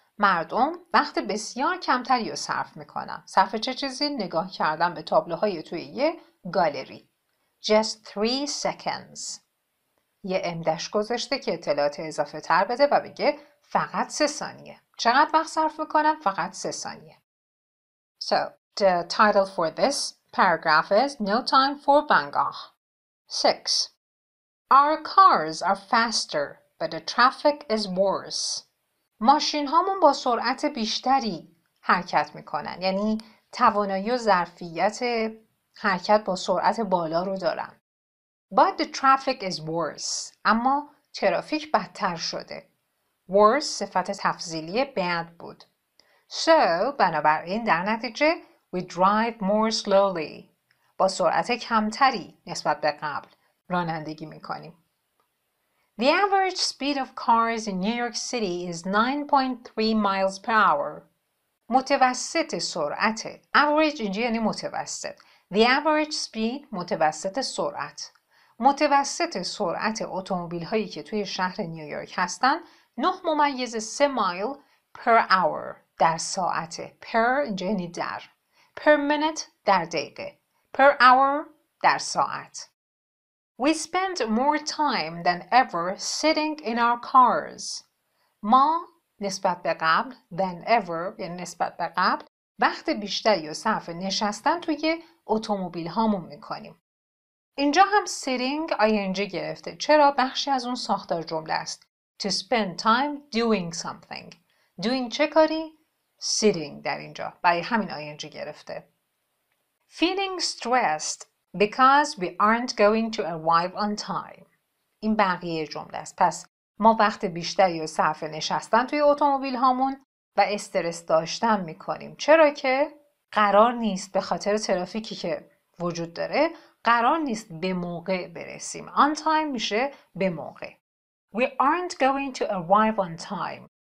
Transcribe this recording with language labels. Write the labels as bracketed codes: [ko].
[fa] مردم وقت بسیار کمتری رو صرف میکنن. صرف چه چیزی؟ نگاه کردن به تابلوهای توی یه گالری. [en] Just 3 seconds. [fa] یه امدش گذاشته که اطلاعات اضافه تر بده و بگه فقط 3 ثانیه. چقدر وقت صرف میکنم؟ فقط 3 ثانیه. [en] So, the title for this paragraph is No Time for Bangkok. 6. Our cars are faster, but the traffic is worse. [fa] ماشین هامون با سرعت بیشتری حرکت میکنن. یعنی توانایی و ظرفیت حرکت با سرعت بالا رو دارن. [en] But the traffic is worse. [fa] اما ترافیک بدتر شده. Worse صفت تفضیلی bad بود. [en] So, [fa] بنابراین در نتیجه [en] we drive more slowly. [fa] با سرعت کمتری نسبت به قبل رانندگی میکنیم. [en] The average speed of cars in New York City is 9.3 miles per hour. [fa] متوسط سرعت. Average اینجا یعنی متوسط. [en] The average speed [fa] متوسط سرعت. متوسط سرعت اتومبیل هایی که توی شهر نیویورک هستن 9.3 مایل [en] per hour. [fa] در ساعت. Per اینجا یعنی در. [en] Per minute [fa] در دقیقه. [en] Per hour [fa] در ساعت. [en] We spend more time than ever sitting in our cars. [fa] ما نسبت به قبل [en] than ever [fa] یعنی نسبت به قبل وقت بیشتری و صرف نشستن توی اتومبیل هامون میکنیم. اینجا هم sitting ing گرفته. چرا؟ بخشی از اون ساختار جمله است. [en] To spend time doing something. [fa] Doing چه کاری؟ sitting در اینجا. برای همین ing گرفته. [en] Feeling stressed because we aren't going to arrive on time. [fa] این بقیه جمله است. پس ما وقت بیشتری و صرف نشستن توی اتومبیل هامون و استرس داشتن میکنیم، چرا که قرار نیست به خاطر ترافیکی که وجود داره قرار نیست به موقع برسیم. [en] On time [fa] میشه به موقع. [en] We aren't going to arrive on time.